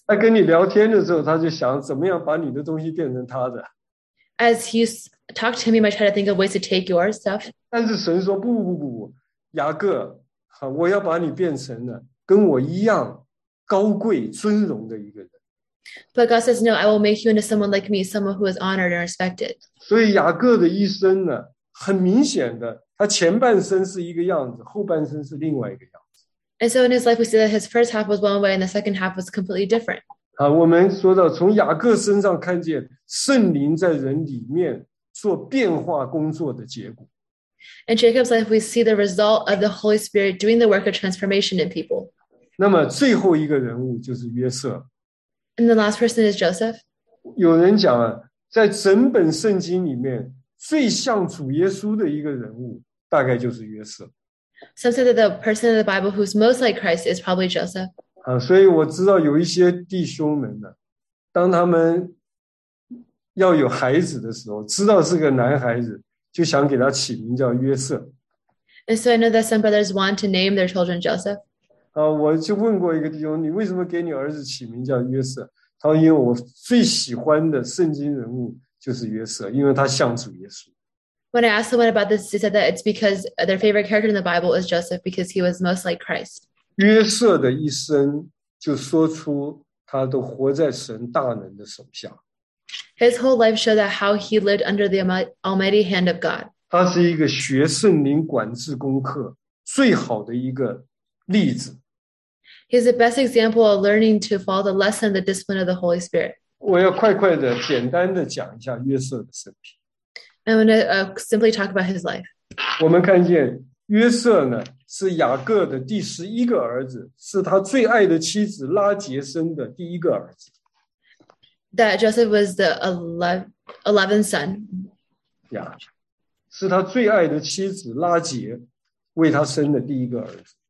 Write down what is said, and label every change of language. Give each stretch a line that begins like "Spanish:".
Chinese: 他跟你聊天的时候，他就想怎么样把你的东西变成他的。
English: As he talked to him, he might try to think of ways to take your stuff.
Chinese: 但是神说不不不，雅各，我要把你变成了跟我一样。高贵尊荣的一个人。
English: But God says, no, I will make you into someone like me, someone who is honored and respected.
Chinese: 所以雅各的一生呢，很明显的，他前半生是一个样子，后半生是另外一个样子。
English: And so in his life, we see that his first half was one way and the second half was completely different.
Chinese: 我们说到从雅各身上看见圣灵在人里面做变化工作的结果。
English: In Jacob's life, we see the result of the Holy Spirit doing the work of transformation in people.
Chinese: 那么最后一个人物就是约瑟。
English: And the last person is Joseph.
Chinese: 有人讲啊，在整本圣经里面最像主耶稣的一个人物大概就是约瑟。
English: Some say that the person in the Bible who's most like Christ is probably Joseph.
Chinese: 所以我知道有一些弟兄们呢，当他们要有孩子的时候，知道是个男孩子，就想给他起名叫约瑟。
English: And so I know that some brothers want to name their children Joseph.
Chinese: 我就问过一个弟兄，你为什么给你儿子起名叫约瑟？他说因为我最喜欢的圣经人物就是约瑟，因为他像主耶稣。
English: When I asked someone about this, they said that it's because their favorite character in the Bible is Joseph because he was most like Christ.
Chinese: 约瑟的一生就说出他都活在神大能的手下。
English: His whole life showed that how he lived under the almighty hand of God.
Chinese: 他是一个学圣灵管制功课最好的一个例子。
English: He's the best example of learning to follow the lesson, the discipline of the Holy Spirit.
Chinese: 我要快快的、简单的讲一下约瑟的生平。
English: I'm going to simply talk about his life.
Chinese: 我们看见约瑟呢是雅各的第十一个儿子，是他最爱的妻子拉结生的第一个儿子。
English: That Joseph was the 11th son.
Chinese: Yeah, 是他最爱的妻子拉结为他生的第一个儿子。